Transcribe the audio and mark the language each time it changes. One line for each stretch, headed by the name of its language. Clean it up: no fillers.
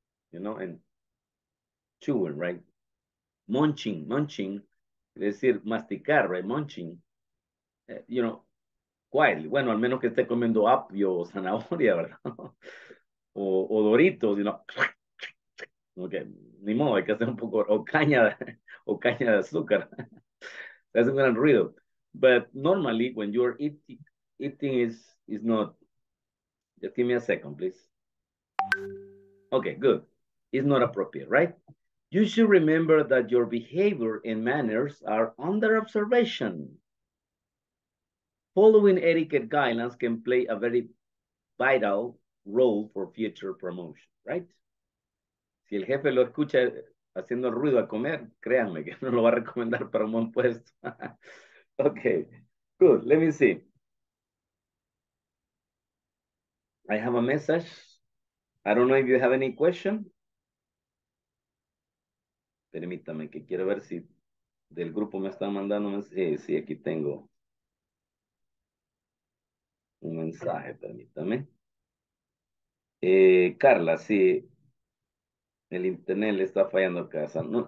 English: You know, and chewing, right? Munching,
Spanish: es decir, masticar,
English: right? Munching, you know. Quietly.
Spanish: Bueno, al menos que esté comiendo apio o zanahoria, ¿verdad? O Doritos,
English: you know.
Spanish: Okay. Ni modo, hay que hacer un poco, o caña de azúcar.
English: That's a
Spanish: gran ruido.
English: But normally, when you're eating is not, just give me a second, please. Okay, good. It's not appropriate, right? You should remember that your behavior and manners are under observation. Following etiquette guidelines can play a very vital role for future promotion, right?
Spanish: Si el jefe lo escucha haciendo ruido al comer, créanme que no lo va a recomendar para un buen puesto.
English: Okay, good, let me see. I have a message. I don't know if you have any question.
Spanish: Permítame que quiero ver si del grupo me están mandando. Sí, aquí tengo un mensaje, permítame. Carla, sí, el internet le está fallando a casa, ¿no?